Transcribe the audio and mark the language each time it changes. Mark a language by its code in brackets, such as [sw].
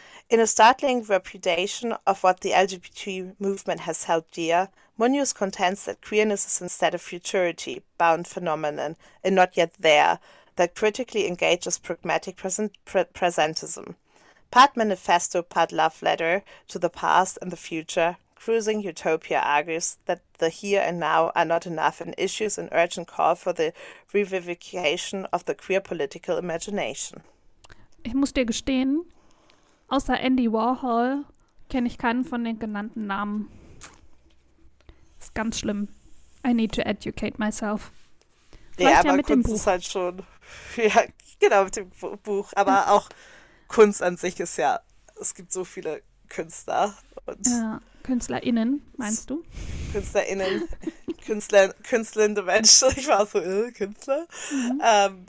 [en] In a startling repudiation of what the LGBT movement has held dear, Muñoz contends that queerness is instead a futurity-bound phenomenon and not yet there, that critically engages pragmatic presentism. Part manifesto, part love letter to the past and the future, Cruising Utopia argues that the here and now are not enough and issues an urgent call for the revivification of the queer political imagination. [de] Ich muss dir gestehen, außer Andy Warhol kenne ich keinen von den genannten Namen. Ist ganz schlimm. [en] I need to educate myself. [de] Vielleicht ja, aber mit Kunst dem ist halt schon, ja, genau, mit dem Buch. Aber auch Kunst an sich ist ja, es gibt so viele Künstler. Und ja, KünstlerInnen, meinst du? KünstlerInnen, künstlernde Menschen. Ich war so, Künstler. Mhm.